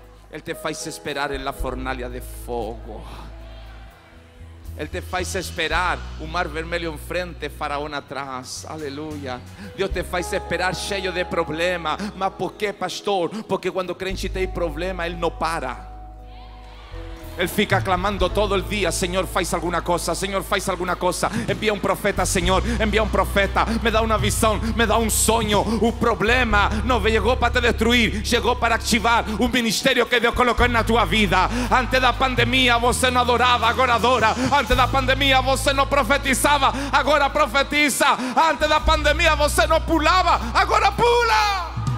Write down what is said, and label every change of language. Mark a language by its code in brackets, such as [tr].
[pt] Ele te faz esperar em la fornalha de fogo. Ele te faz esperar o mar vermelho em frente, faraó atrás. Aleluia. Deus te faz esperar cheio de problema. Mas por que, pastor? Porque quando crente tem problema, Ele não para. [es] Él [pt] fica clamando [es] todo el día: Señor, faz alguna cosa, Señor, faz alguna cosa. Envía un profeta, Señor, envía un profeta. Me da una visión, me da un sueño. Un problema no llegó para te destruir, llegó para activar un ministerio que Dios colocó en tu vida. Antes de la pandemia, você no adoraba, ahora adora. Antes de la pandemia, você no profetizaba, ahora profetiza. Antes de la pandemia, você no pulaba, ahora pula.